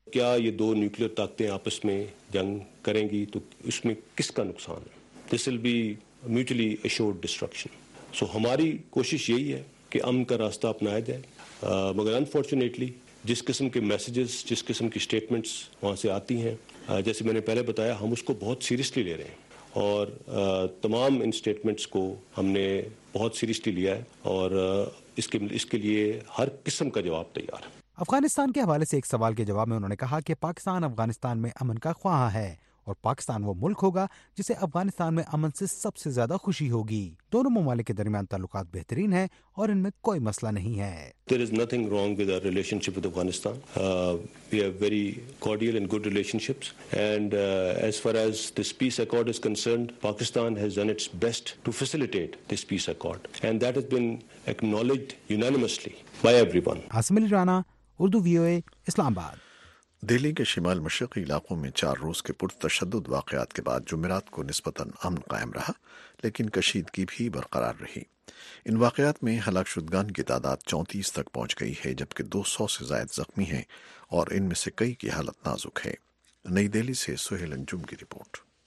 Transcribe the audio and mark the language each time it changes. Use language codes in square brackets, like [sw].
[ur] کیا یہ دو نیوکلیئر طاقتیں آپس میں جنگ کریں گی تو اس میں کس کا نقصان ہے؟ [en] This will be mutually assured destruction. [ur] سو ہماری کوشش یہی ہے کہ امن کا راستہ اپنایا جائے، مگر انفارچونیٹلی جس قسم کے میسیجز، جس قسم کی اسٹیٹمنٹس وہاں سے آتی ہیں، جیسے میں نے پہلے بتایا، ہم اس کو بہت سیریسلی لے رہے ہیں اور تمام ان اسٹیٹمنٹس کو ہم نے بہت سیریسلی لیا ہے اور اس کے لیے ہر قسم کا جواب تیار ہے۔ افغانستان کے حوالے سے ایک سوال کے جواب میں انہوں نے کہا کہ پاکستان افغانستان میں امن کا خواہاں ہے اور پاکستان وہ ملک ہوگا جسے افغانستان میں امن سے سب سے زیادہ خوشی ہوگی۔ دونوں ممالک کے درمیان تعلقات بہترین ہیں اور ان میں کوئی مسئلہ نہیں ہے۔ [en] There is nothing wrong with our relationship with Afghanistan. We have very cordial and good relationships. And as far as this peace accord is concerned, Pakistan has done its best to facilitate this peace accord. And that has been acknowledged unanimously by everyone. [ur] Asim علی رانا، اردو وی او اے اسلام آباد۔ دہلی کے شمال مشرقی علاقوں میں چار روز کے پرتشدد واقعات کے بعد جمعرات کو نسبتاً امن قائم رہا، لیکن کشیدگی بھی برقرار رہی۔ ان واقعات میں ہلاک شدگان کی تعداد 34 تک پہنچ گئی ہے، جبکہ 200 سے زائد زخمی ہیں اور ان میں سے کئی کی حالت نازک ہے۔ نئی دہلی سے سہیل انجم کی رپورٹ۔